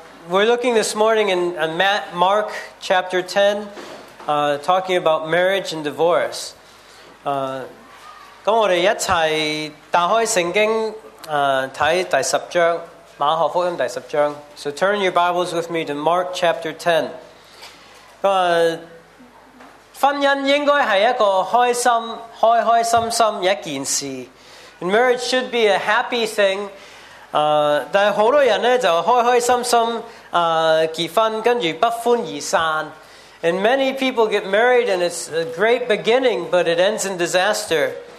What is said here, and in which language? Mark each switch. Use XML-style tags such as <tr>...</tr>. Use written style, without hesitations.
<en>we're looking this morning in Mark chapter 10, talking about marriage and divorce.</en> <yue>咁我哋一齐打开圣经，睇第十章。马可福音第十章。</yue> <en>So turn your Bibles with me to Mark chapter 10.</en> <yue>婚姻应该是一个开心、开开心心一件事。</yue> <en>And marriage should be a happy thing.</en> <yue>但是很多人呢就开开心心结婚，跟住不欢而散。</yue> <en>And many people get married and it's a great beginning, but it ends in disaster.</en>